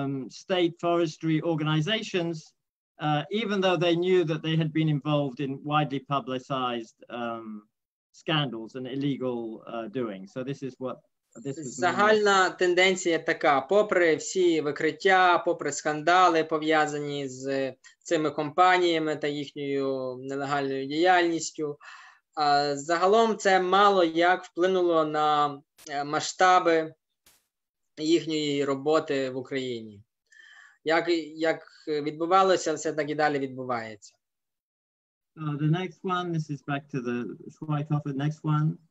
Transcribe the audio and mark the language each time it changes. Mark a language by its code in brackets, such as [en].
[en] state forestry organizations, even though they knew that they had been involved in widely publicized scandals and illegal doing. So this is what [uk] загальна тенденція така, попри всі викриття, попри скандали, пов'язані з цими компаніями та їхньою нелегальною діяльністю, загалом це мало як вплинуло на масштаби їхньої роботи в Україні. Як відбувалося, все так і далі відбувається. [en] The next one, this is back to the Schweikhofer, the next one.